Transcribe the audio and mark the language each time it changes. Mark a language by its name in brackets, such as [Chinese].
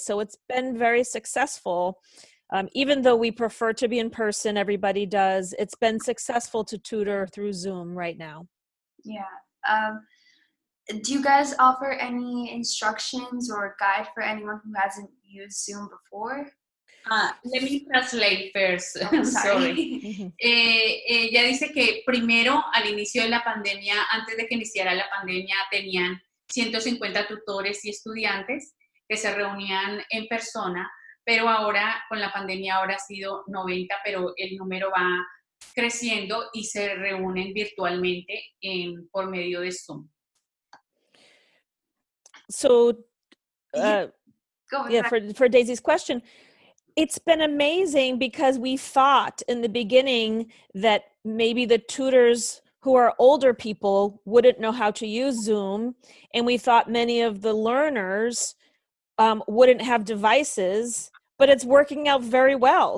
[English] So it's been very successful. Even though we prefer to be in person, everybody does, it's been successful to tutor through Zoom right now. Yeah. Do you guys offer any instructions or guide for anyone who hasn't used Zoom before? Let me translate first. Sorry. [Spanish] ella dice que primero, al inicio de la pandemia, antes de que iniciara la pandemia, tenían 150 tutores y estudiantes que se reunían en persona, pero ahora, con la pandemia, ahora ha sido 90, pero el número va creciendo y se reúnen virtualmente en, por medio de Zoom. [English] So, for Daisy's question, it's been amazing because we thought in the beginning that maybe the tutors who are older people wouldn't know how to use Zoom, and we thought many of the learners wouldn't have devices, but it's working out very well.